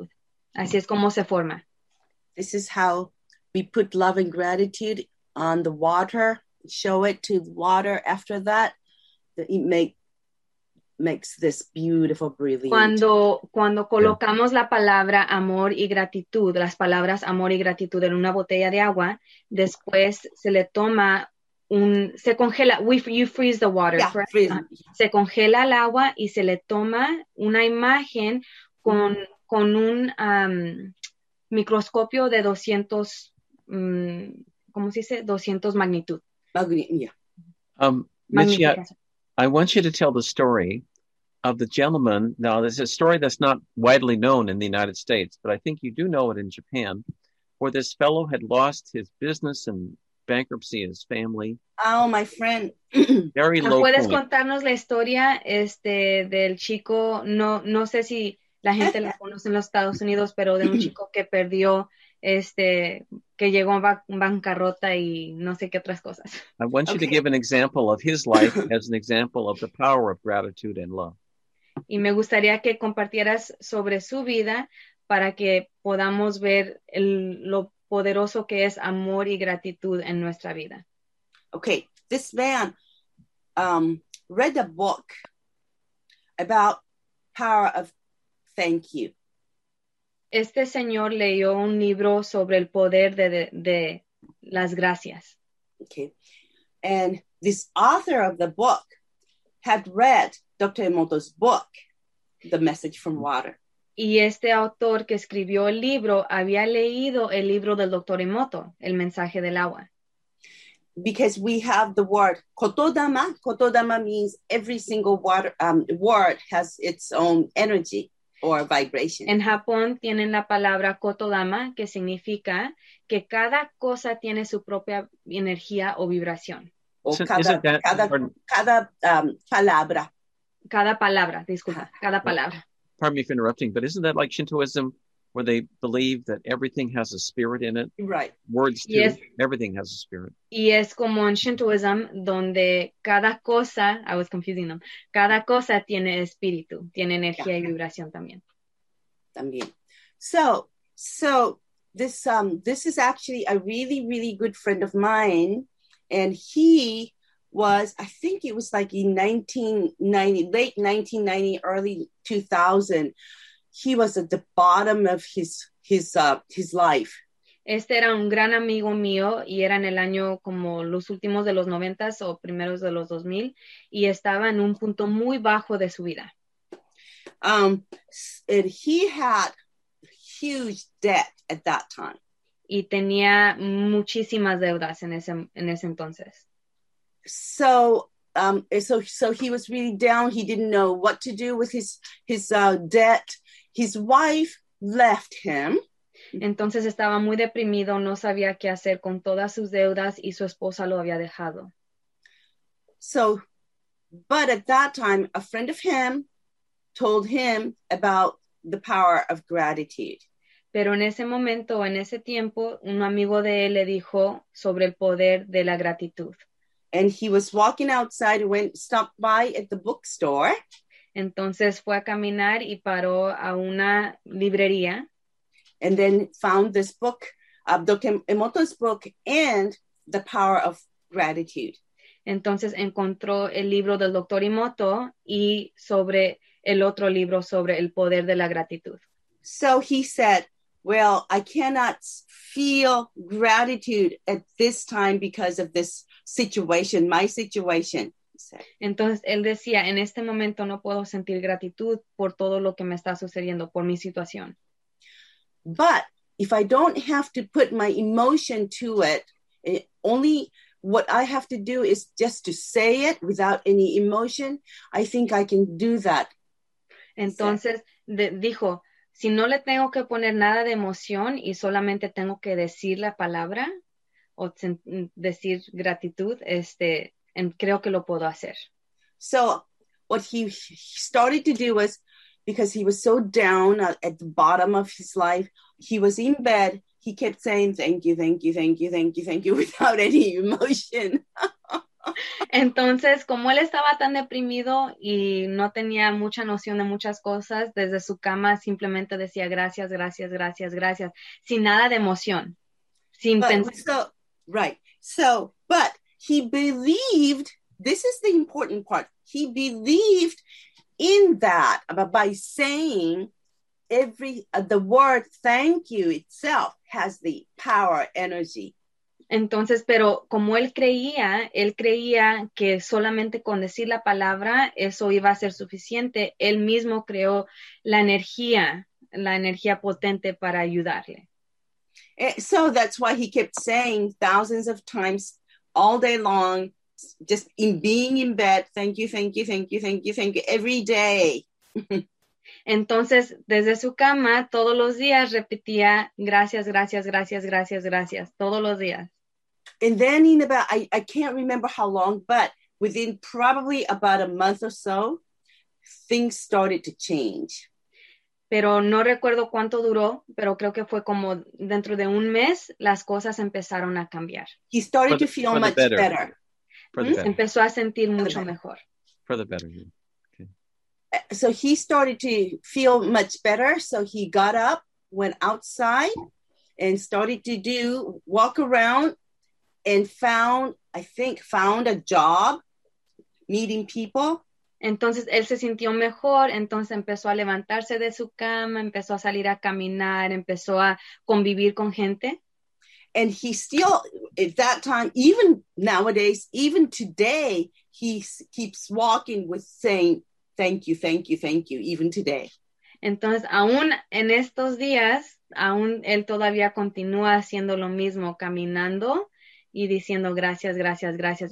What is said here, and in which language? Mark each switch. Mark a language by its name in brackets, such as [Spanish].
[English] Right. [Spanish] Así es como se forma. [English] This is how we put love and gratitude on the water, show it to water. After that, it makes this beautiful, brilliant. [Spanish] Cuando colocamos la palabra amor y gratitud, las palabras amor y gratitud en una botella de agua, después se le toma se congela. [English] You freeze the water. Yeah, correct? Freeze. [Spanish] Se congela el agua y se le toma una imagen con un microscopio de 200. ¿Cómo se dice? 200 magnitud. [English] Michi, I want you to tell the story of the gentleman. Now, this is a story that's not widely known in the United States, but I think you do know it in Japan, where this fellow had lost his business and bankruptcy in his family. Oh, my friend. Very low. [Spanish] ¿Puedes contarnos la historia del chico? No sé si la gente la conoce en los Estados Unidos, pero de un chico que perdió, que llegó a bancarrota y no sé qué otras cosas. [English] I want you to give an example of his life as an example of the power of gratitude and love. [Spanish] Y me gustaría que compartieras sobre su vida para que podamos ver lo poderoso que es amor y gratitud en nuestra vida. [English] Okay, this man read a book about power of thank you. [Spanish] Este señor leyó un libro sobre el poder de las gracias. [English] Okay. And this author of the book had read Dr. Emoto's book, The Message from Water. [Spanish] Y este autor que escribió el libro había leído el libro del Dr. Emoto, El Mensaje del Agua. [English] Because we have the word kotodama. Kotodama means every single word has its own energy. Or vibration. [Spanish] En Japón tienen la palabra kotodama, que significa que cada cosa tiene su propia energía o vibración. Cada palabra. [English] Pardon me for interrupting, but isn't that like Shintoism where they believe that everything has a spirit in it. Right. Words too. Yes. Everything has a spirit. [Spanish] Y es como en Shintoism, donde cada cosa, [English] I was confusing them, [Spanish] cada cosa tiene espíritu, tiene energía y vibración también. También. [English] So this is actually a really, really good friend of mine, and he was, I think it was like in 1990, late 1990, early 2000, he was at the bottom of his life. [Spanish] Este era un gran amigo mío y era en el año como los últimos de los 90s o primeros de los 2000 y estaba en un punto muy bajo de su vida. [English] And he had huge debt at that time. [Spanish] Y tenía muchísimas deudas en ese entonces. [English] So he was really down. He didn't know what to do with his debt. His wife left him. [Spanish] Entonces estaba muy deprimido, no sabía qué hacer con todas sus deudas y su esposa lo había dejado. [English] So, but at that time, a friend of him told him about the power of gratitude. [Spanish] Pero en ese momento, en ese tiempo, un amigo de él le dijo sobre el poder de la gratitud. [English] And he was walking outside, went stopped by at the bookstore. [Spanish] Entonces fue a caminar y paró a una librería. [English] And then found this book, Emoto's book, and The Power of Gratitude. [Spanish] Entonces encontró el libro del Dr. Emoto y sobre el otro libro sobre el poder de la gratitud. [English] So he said, well, I cannot feel gratitude at this time because of this situation, my situation. [Spanish] Entonces él decía, en este momento no puedo sentir gratitud por todo lo que me está sucediendo, por mi situación. [English] But if I don't have to put my emotion to it, only what I have to do is just to say it without any emotion, I think I can do that. [Spanish] Entonces dijo, si no le tengo que poner nada de emoción y solamente tengo que decir la palabra o decir gratitud, and creo que lo puedo hacer. [English] So what he started to do was, because he was so down at the bottom of his life, he was in bed, he kept saying, thank you, thank you, thank you, thank you, thank you, without any emotion. [Spanish] Entonces, como él estaba tan deprimido y no tenía mucha noción de muchas cosas, desde su cama simplemente decía gracias, gracias, gracias, gracias, sin nada de emoción, sin pensar. [English] But he believed, this is the important part, he believed in that by saying the word thank you itself has the power, energy. [Spanish] Entonces, pero como él creía que solamente con decir la palabra eso iba a ser suficiente, él mismo creó la energía potente para ayudarle. [English] So that's why he kept saying thousands of times all day long, just in being in bed, thank you, thank you, thank you, thank you, thank you, every day. [Spanish] Entonces, desde su cama, todos los días repetía, gracias, gracias, gracias, gracias, gracias, todos los días. [English] And then in about, I can't remember how long, but within probably about a month or so, things started to change. [Spanish] Pero no recuerdo cuánto duró, pero creo que fue como dentro de un mes, las cosas empezaron a cambiar. [English] He started to feel much better. [Spanish] Empezó a sentir mucho mejor. [English] For the better. Okay. So he started to feel much better. So he got up, went outside, and started to walk around, and found a job, meeting people. [Spanish] Entonces él se sintió mejor, entonces empezó a levantarse de su cama, empezó a salir a caminar, empezó a convivir con gente. [English] And he still, at that time, even nowadays, even today, he keeps walking with saying, thank you, thank you, thank you, even today. [Spanish] Entonces aún en estos días, aún él todavía continúa haciendo lo mismo, caminando y diciendo gracias, gracias, gracias.